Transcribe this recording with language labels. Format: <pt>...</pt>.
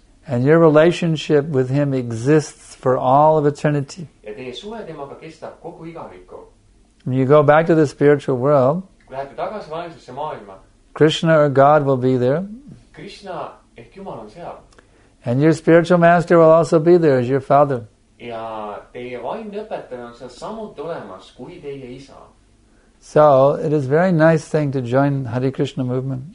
<en>And your relationship with him exists for all of eternity. When you go back to the spiritual world,</en> <et>lähete tagasi vaimsesse maailma,</et> <en>Krishna or God will be there.</en> <et>Krishna ehk Jumal on seal.</et> <en>And your spiritual master will also be there as your father.</en> <et>Ja teie vaimne õpetaja on seal samuti olemas kui teie isa.</et> <en>So, it is very nice thing to join Hare Krishna movement.</en>